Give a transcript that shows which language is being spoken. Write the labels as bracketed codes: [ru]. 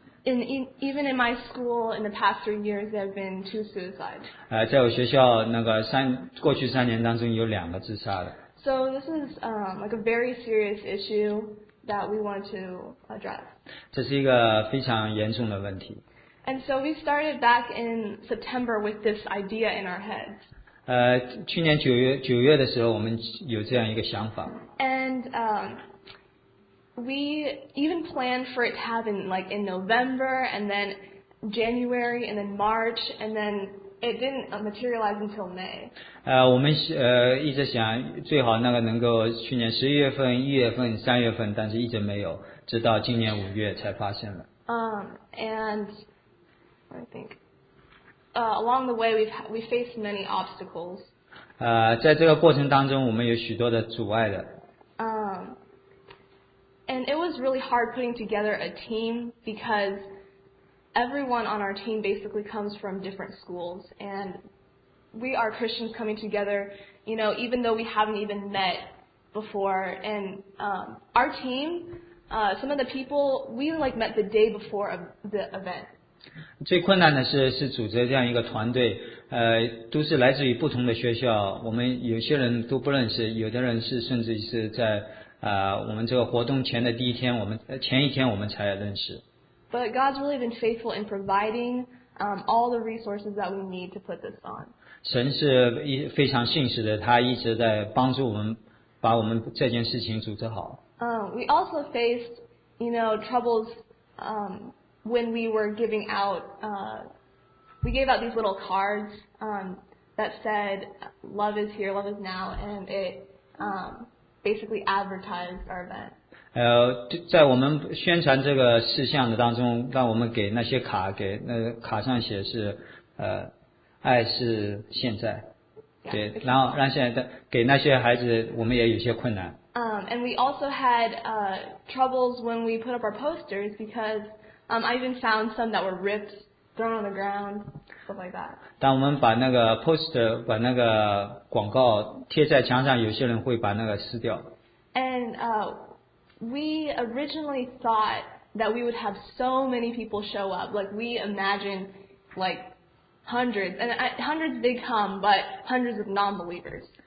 [en] And even in my school, in the past 3 years, there have been 2 suicides. [zh] 在我学校那个过去3年当中有两个自杀的。 [en] So this is like a very serious issue that we want to address. [zh] 这是一个非常严重的问题。 [en] And so we started back in September with this idea in our heads. [zh] 去年九月的时候，我们有这样一个想法。 [en] And We even planned for it to happen like in November and then January and then March and then it didn't materialize until May. [zh] 我们一直想最好那个能够去年十一月份、一月份、三月份，但是一直没有，直到今年五月才发现了。 [en] And I think along the way we faced many obstacles. [zh] 在这个过程当中，我们有许多的阻碍的。 [en] And it was really hard putting together a team because everyone on our team basically comes from different schools. And we are Christians coming together, you know, even though we haven't even met before. And our team, some of the people, we like met the day before of the event. [zh] 最困难的是组织这样一个团队，都是来自于不同的学校，我们有些人都不认识，有的人是甚至是在我们这个活动前的第一天，我们前一天我们才认识。 [en] But God's really been faithful in providing all the resources that we need to put this on. [zh] 神是非常信实的，他一直在帮助我们，把我们这件事情组织好。 [en] We also faced, you know, troubles when we were giving out. We gave out these little cards that said, "Love is here, love is now," and it. Basically advertised our event. [zh] 在我们宣传这个事项的当中，让我们给那些卡，给那卡上写是，爱是现在。对， [en] yeah, okay. [zh] 然后让现在的给那些孩子，我们也有些困难。 [en] And we also had troubles when we put up our posters because I even found some that were ripped, thrown on the ground, stuff like that. [zh] 当我们把那个 poster 把那个广告贴在墙上，有些人会把那个撕掉。 [en] And we originally thought that we would have so many people show up. Like we imagined, like hundreds, and hundreds did come, but hundreds of non-believers.